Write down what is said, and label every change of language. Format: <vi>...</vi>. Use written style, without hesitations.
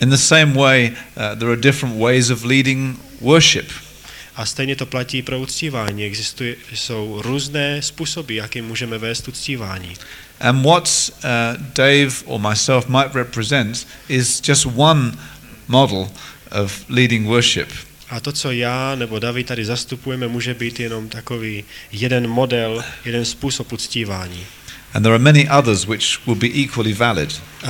<en>In the same way there are different ways of leading worship.</en> <cs>A stejně to platí pro uctívání. Existují jsou různé způsoby, jakým můžeme vést uctívání.</cs> <en>And what Dave or myself might represent is just one model of leading worship.</en> <cs>A to, co já nebo David tady zastupujeme, může být jenom takový jeden model, jeden způsob uctívání.</cs> <en>And there are many others which will be equally valid.</en>